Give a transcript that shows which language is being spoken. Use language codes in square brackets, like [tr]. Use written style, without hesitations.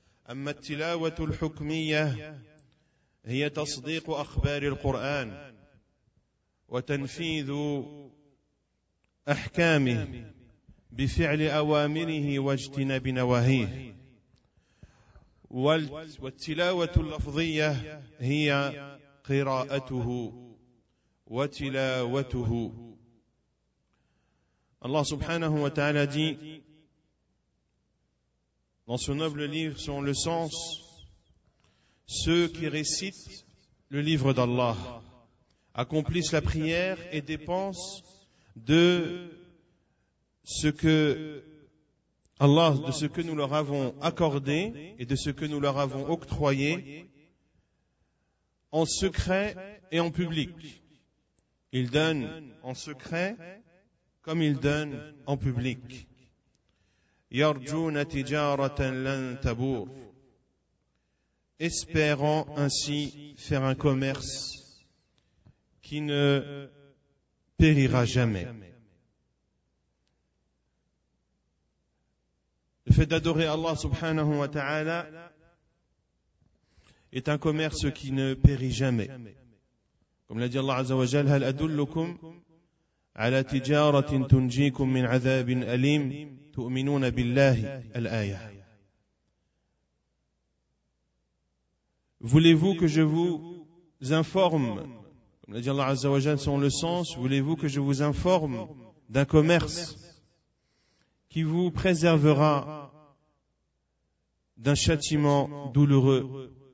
[ar] أما التلاوة الحكمية هي تصديق أخبار القرآن وتنفيذ أحكامه بفعل أوامره واجتناب نواهيه، والتلاوة اللفظية هي قراءته وتلاوته. [fr] Allah subhanahu wa ta'ala dit dans son noble livre, selon le sens, ceux qui récitent le livre d'Allah accomplissent la prière et dépensent de ce que nous leur avons accordé et de ce que nous leur avons octroyé en secret et en public. Ils donnent en secret comme il donne en public. [ar] يَرْجُونَ تِجَارَةً لَنْ تَبُورْ. [fr] Espérant ainsi faire un commerce qui ne périra jamais. Le fait d'adorer Allah subhanahu wa ta'ala est un commerce qui ne périt jamais. Comme l'a dit Allah azza wa jal, [ar] هَلْ أَدُلُّكُمْ على تجارة تنجيكم من عذاب أليم تؤمنون بالله الآية. [fr] Voulez-vous que je vous informe, comme l'a dit Allah Azza wa Jal selon le sens, voulez-vous que je vous informe d'un commerce qui vous préservera d'un châtiment douloureux?